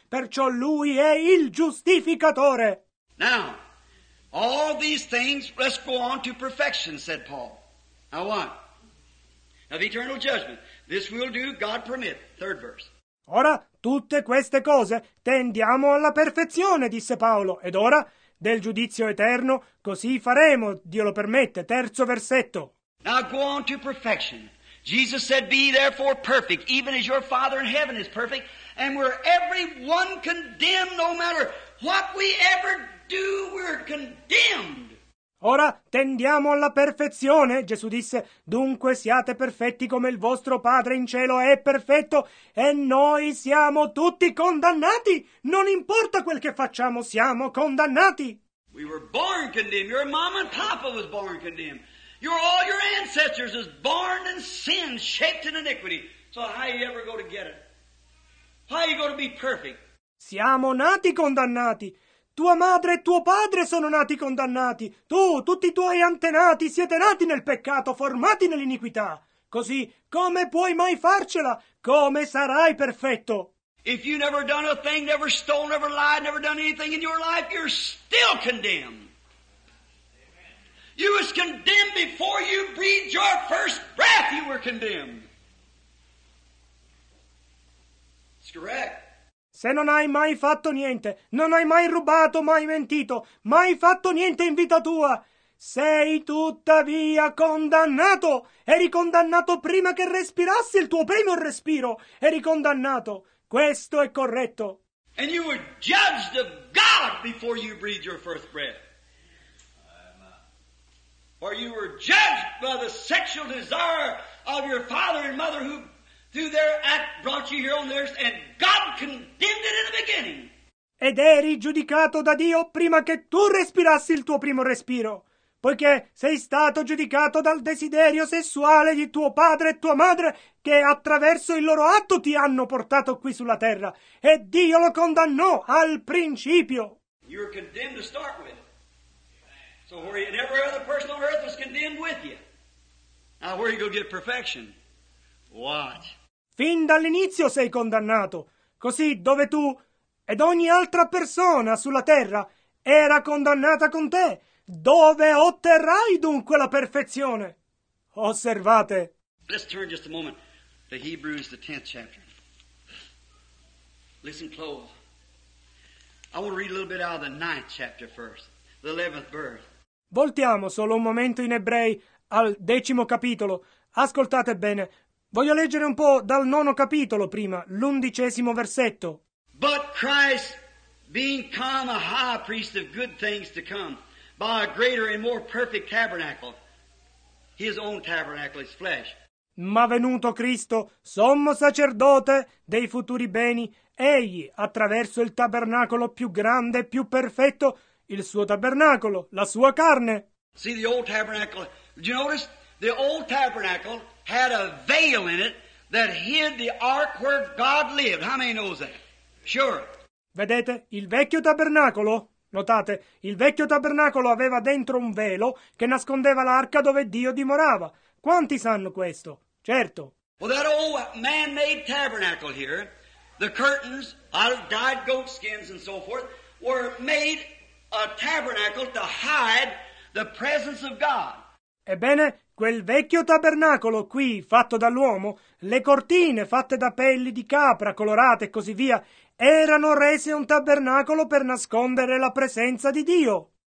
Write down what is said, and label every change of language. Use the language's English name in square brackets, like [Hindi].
[Italian] Perciò lui è il giustificatore. [English] Now, all these things, let's go on to perfection, said Paul. Now what? Of eternal judgment. This will do, God permit. Third verse. [Italian] Ora, tutte queste cose tendiamo alla perfezione, disse Paolo, ed ora, del giudizio eterno, così faremo, Dio lo permette. Terzo versetto. [English] Now go on to perfection. Jesus said, be therefore perfect, even as your Father in heaven is perfect, and we're everyone condemned, no matter what we ever do, we're condemned. [Italian] Ora tendiamo alla perfezione, Gesù disse, dunque siate perfetti come il vostro Padre in cielo è perfetto e noi siamo tutti condannati, non importa quel che facciamo, siamo condannati. [English] We were born condemned, your mama and papa was born condemned, all your ancestors was born in sin, shaped in iniquity, so how you ever go to get it? How you going to be perfect? [Italian] Siamo nati condannati. Tua madre e tuo padre sono nati condannati. Tu, tutti i tuoi antenati, siete nati nel peccato, formati nell'iniquità. Così, come puoi mai farcela? Come sarai perfetto? [English] If you never done a thing, never stole, never lied, never done anything in your life, you're still condemned. You was condemned before you breathed your first breath, you were condemned. It's correct. [Italian] Se non hai mai fatto niente, non hai mai rubato, mai mentito, mai fatto niente in vita tua, sei tuttavia condannato. Eri condannato prima che respirassi il tuo primo respiro. Eri condannato. Questo è corretto. [English] And you were judged of God before you breathed your first breath. Or you were judged by the sexual desire of your father and mother who through their act brought you here on the earth, and God condemned it in the beginning. [Italian] Ed eri giudicato da Dio prima che tu respirassi il tuo primo respiro, poiché sei stato giudicato dal desiderio sessuale di tuo padre e tua madre che attraverso il loro atto ti hanno portato qui sulla terra, e Dio lo condannò al principio. [English] You were condemned to start with. So where you, and every other person on earth was condemned with you. Now where are you going to get perfection? What? [Italian] Fin dall'inizio sei condannato, così dove tu ed ogni altra persona sulla terra era condannata con te, dove otterrai dunque la perfezione? Osservate. [English] Let's turn just a moment to Hebrews, the 10th chapter. Listen close. I want to read a little bit out of the 9th chapter first, the 11th verse. [Italian] Voltiamo solo un momento in Ebrei al 10° capitolo. Ascoltate bene. Voglio leggere un po' dal 9° capitolo prima, l'11° versetto. [English] But Christ, being come a high priest of good things to come, by a greater and more perfect tabernacle, his own tabernacle, his flesh. [Italian] Ma venuto Cristo, sommo sacerdote dei futuri beni, egli, attraverso il tabernacolo più grande e più perfetto, il suo tabernacolo, la sua carne. [English] See the old tabernacle. Do you notice? The old tabernacle had a veil in it that hid the ark where God lived. How many knows that? Sure. [Italian] Vedete, il vecchio tabernacolo, notate, il vecchio tabernacolo aveva dentro un velo che nascondeva l'arca dove Dio dimorava. Quanti sanno questo? Certo. [English] Well, that old man-made tabernacle here, the curtains out of dyed goat skins and so forth, were made a tabernacle to hide the presence of God. [Italian] Ebbene, quel vecchio tabernacolo qui, fatto dall'uomo, le cortine fatte da pelli di capra, colorate e così via, erano rese un tabernacolo per nascondere la presenza di Dio.